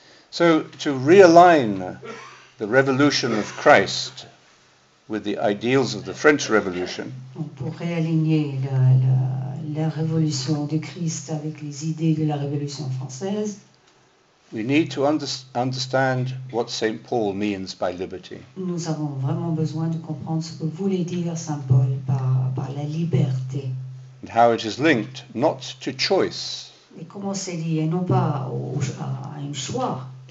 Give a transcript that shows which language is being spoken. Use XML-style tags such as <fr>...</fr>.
<en>So to realign the revolution of Christ with the ideals of the French Revolution.</en> <fr>Donc pour réaligner la révolution du Christ avec les idées de la révolution française.</fr> <en>We need to understand what Saint Paul means by liberty.</en> <fr>Nous avons vraiment besoin de comprendre ce que voulait dire Saint Paul par la liberté.</fr> <en>And how it is linked not to choice.</en> <fr>Et comment c'est lié non pas à un choix,</fr>